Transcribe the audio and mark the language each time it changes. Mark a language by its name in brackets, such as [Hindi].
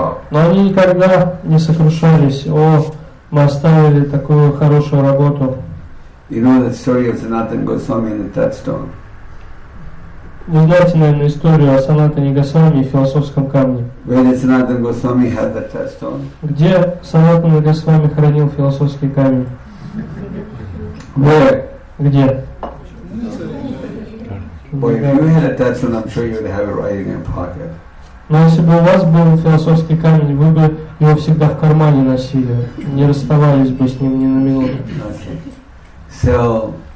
[Russian] Но они никогда не сокрушались. О, мы оставили такую хорошую работу. [English] You know the story of Sanatana Goswami and the touchstone. [Russian] Вы знаете, наверное, историю о Санатане Госвами и философском камне. [English] Where did Sanatana Goswami have the touchstone? [Russian] Где Санатана Госвами хранил философский камень? [English] Where? [Russian] Где? [English] Boy, if you had a touchstone, I'm sure you would have it right in your pocket. [Russian] Но если бы у вас был философский камень, вы бы его всегда в кармане носили, не расставались бы с ним ни на минуту.